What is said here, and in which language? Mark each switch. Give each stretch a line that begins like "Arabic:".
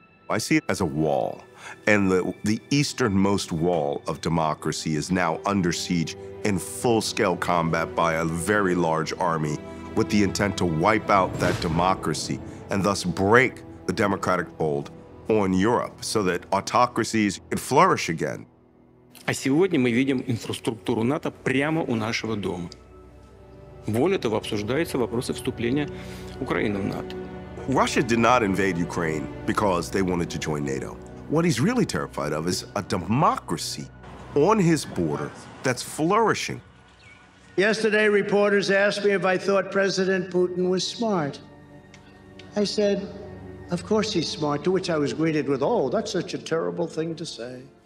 English: I see it as a wall, and the easternmost wall of democracy is now under siege in full-scale combat by a very large army with the intent to wipe out that democracy and thus break the democratic hold on Europe so that autocracies could flourish again.
Russian: А сегодня мы видим инфраструктуру НАТО прямо у нашего дома. Более того, обсуждаются вопросы вступления Украины в НАТО.
English: Russia did not invade Ukraine because they wanted to join NATO. What he's really terrified of is a democracy on his border that's flourishing. Yesterday, reporters asked me if I thought President Putin was smart. I said, of course he's smart, to which I was greeted with, oh, that's such a terrible thing to say.